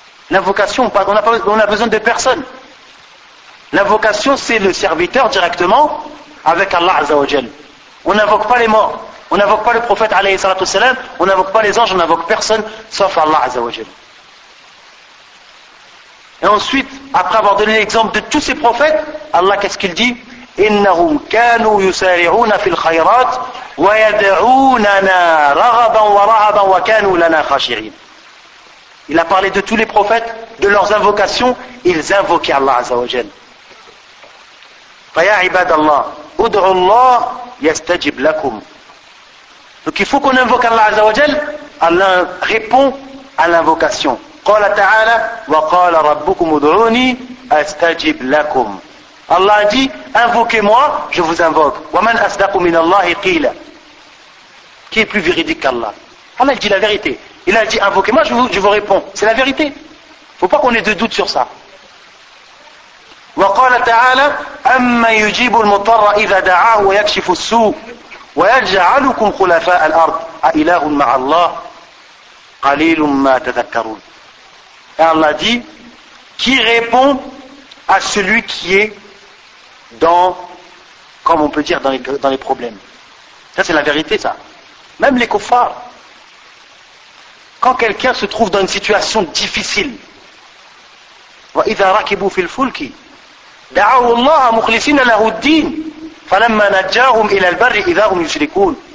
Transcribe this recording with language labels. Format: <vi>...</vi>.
<fr>L'invocation, on a besoin de personne. L'invocation, c'est le serviteur directement avec Allah Azza wa Jal. On n'invoque pas les morts. On n'invoque pas le prophète alayhi salatu salam. On n'invoque pas les anges. On n'invoque personne sauf Allah Azza wa Jal. Et ensuite, après avoir donné l'exemple de tous ces prophètes, Allah, qu'est-ce qu'il dit ?</fr> <ar>إنهم كانوا يسارعون في الخيرات ويدعوننا رغبا ورهبا وكانوا لنا خاشعين.</ar> <fr>Il a parlé de tous les prophètes, de leurs invocations, ils invoquaient Allah عز وجل.</fr> <ar>فيا عباد الله ادعوا الله يستجب لكم.</ar> <fr>Donc il faut qu'on invoque Allah عز وجل, Allah répond à l'invocation.</fr> <ar>قال تعالى وقال ربكم ادعوني استجب لكم.</ar> <fr>Allah dit, invoquez-moi, je vous invoque.</fr> <ar>وَمَنْ أَصْدَقُ مِنَ اللَّهِ قِيلَ.</ar> <fr>Qui est plus véridique qu'Allah? Allah dit la vérité. Il a dit, invoquez-moi, je vous réponds. C'est la vérité. Il ne faut pas qu'on ait de doute sur ça.</fr> <ar>وَقَالَ تَعَالَى أَمَّا يُجِيبُ الْمُطَرَّ إِذَا دَعَاهُ وَيَكْشِفُ السُّوءُ وَيَجْعَلُكُمْ خُلَفَاءَ الْأَرْضِ أَإِلَهٌ مَعَ اللَّهِ قَلِيلٌ مَا تَذَكَّرُونَ.</ar> <fr>Et Allah dit, qui répond à celui qui est dans, comme on peut dire, dans les problèmes. Ça, c'est la vérité, ça. Même les kuffars, quand quelqu'un se trouve dans une situation difficile,</fr> <ar>وَإِذَا رَكِبُوا فِي الْفُلْكِ دَعَوُوا اللَّهَ مُخْلِصِينَ لَهُ الدِّينِ فَلَمَّا نَجَّاهُمْ إِلَى الْبَرِّ إِذَا هُمْ يُشْرِكُونَ.</ar>